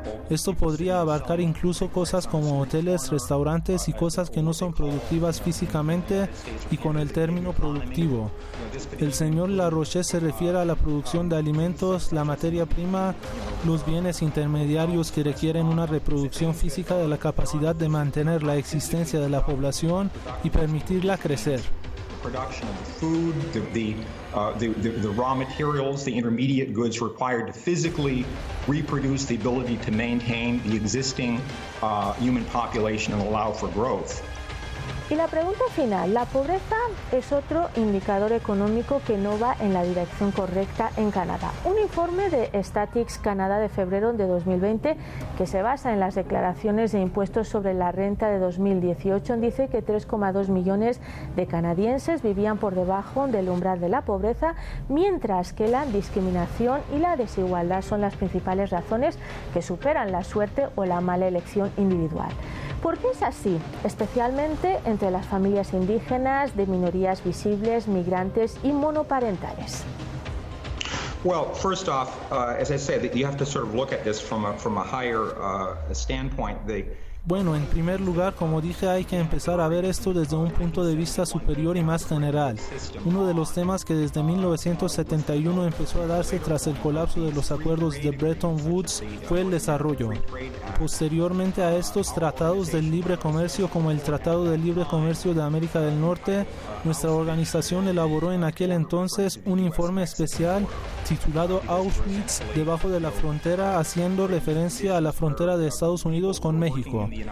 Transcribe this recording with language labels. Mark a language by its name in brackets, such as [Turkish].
[Spanish] Esto podría abarcar incluso cosas como hoteles, restaurantes y cosas que no son productivas físicamente y con el término productivo. El señor LaRoche se refiere a la producción de alimentos, la materia prima, los bienes intermediarios que requieren una reproducción física de la capacidad de mantener la existencia de la población y permitirla crecer. [English] The raw materials, the intermediate goods required to physically reproduce the ability to maintain the existing human population and allow for growth. [Spanish] Y la pregunta final, ¿la pobreza es otro indicador económico que no va en la dirección correcta en Canadá? Un informe de Statistics Canada de febrero de 2020, que se basa en las declaraciones de impuestos sobre la renta de 2018, dice que 3,2 millones de canadienses vivían por debajo del umbral de la pobreza, mientras que la discriminación y la desigualdad son las principales razones que superan la suerte o la mala elección individual. ¿Por qué es así? Especialmente entre las familias indígenas, de minorías visibles, migrantes y monoparentales. [English] Well, first off, as I said, you have to sort of look at this from a higher standpoint. [Spanish] Bueno, en primer lugar, como dije, hay que empezar a ver esto desde un punto de vista superior y más general. Uno de los temas que desde 1971 empezó a darse tras el colapso de los acuerdos de Bretton Woods fue el desarrollo. Posteriormente a estos tratados del libre comercio, como el Tratado de Libre Comercio de América del Norte, nuestra organización elaboró en aquel entonces un informe especial titulado Auschwitz, debajo de la frontera, haciendo referencia a la frontera de Estados Unidos con México.